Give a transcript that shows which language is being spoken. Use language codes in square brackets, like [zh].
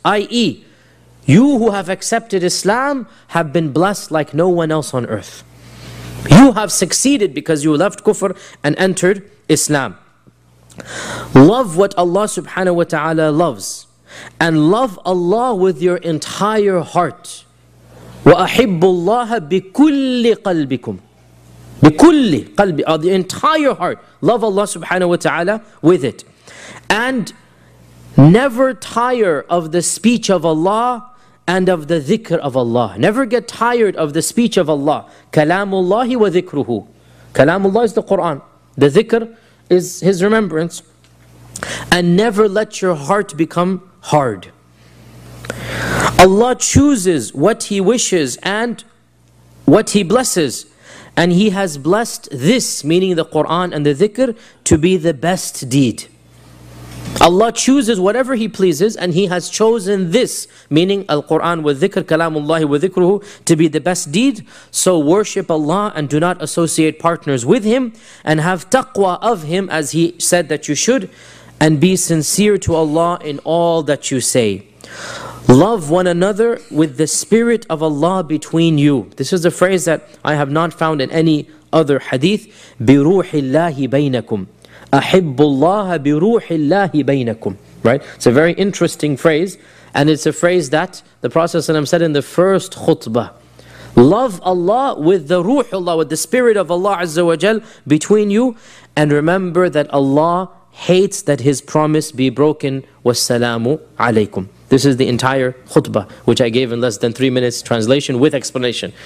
[en] I.e., you who have accepted Islam have been blessed like no one else on earth. You have succeeded because you left kufr and entered Islam. Love what Allah subhanahu wa ta'ala loves. And love Allah with your entire heart. [ar] وَأَحِبُّ اللَّهَ بِكُلِّ قَلْبِكُمْ بِكُلِّ قَلْبِ [en] The entire heart. Love Allah subhanahu wa ta'ala with it. And never tire of the speech of Allah and of the dhikr of Allah. Never get tired of the speech of Allah. [ar] كَلَامُ اللَّهِ وَذِكْرُهُ كَلَامُ اللَّهِ [en] is the Qur'an. The dhikr is His remembrance. And never let your heart become hard. Allah chooses what He wishes and what He blesses. And He has blessed this, meaning the Qur'an and the dhikr, to be the best deed. Allah chooses whatever He pleases, and He has chosen this, meaning Al-Qur'an with dhikr, kalamullahi with dhikruhu, to be the best deed. So worship Allah and do not associate partners with Him, and have taqwa of Him as He said that you should, and be sincere to Allah in all that you say. Love one another with the spirit of Allah between you. This is a phrase that I have not found in any other hadith. [ar] بِرُوحِ اللَّهِ بَيْنَكُمْ أَحِبُّ اللَّهَ بِرُوحِ اللَّهِ بَيْنَكُمْ Right? [en] It's a very interesting phrase. And it's a phrase that the Prophet ﷺ said in the first khutbah. Love Allah with the ruhullah, with the spirit of Allah Azza wa Jal between you. And remember that Allah hates that His promise be broken. [ar] وَالسَّلَامُ عَلَيْكُمْ [en] This is the entire khutbah, which I gave in less than 3 minutes translation with explanation.